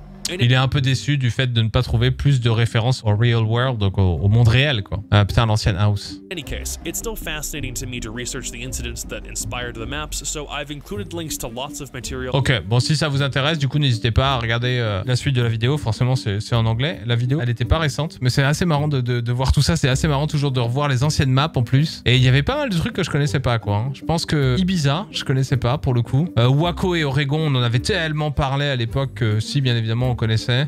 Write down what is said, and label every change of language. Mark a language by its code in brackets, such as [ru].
[fr] Il est un peu déçu du fait de ne pas trouver plus de références au real world, donc au monde réel, quoi. Putain, l'ancienne house. [en] In any case, it's still fascinating to me to research the incidents that inspired the maps, so I've included links to lots of material. [fr] Ok, bon, si ça vous intéresse, du coup, n'hésitez pas à regarder la suite de la vidéo. Forcément, c'est en anglais. La vidéo, elle était pas récente, mais c'est assez marrant de voir tout ça. C'est assez marrant toujours de revoir les anciennes maps en plus. Et il y avait pas mal de trucs que je connaissais pas, quoi. Je pense que Ibiza, je connaissais pas pour le coup. Waco et Oregon, on en avait tellement parlé à l'époque que si, bien évidemment, connaissais.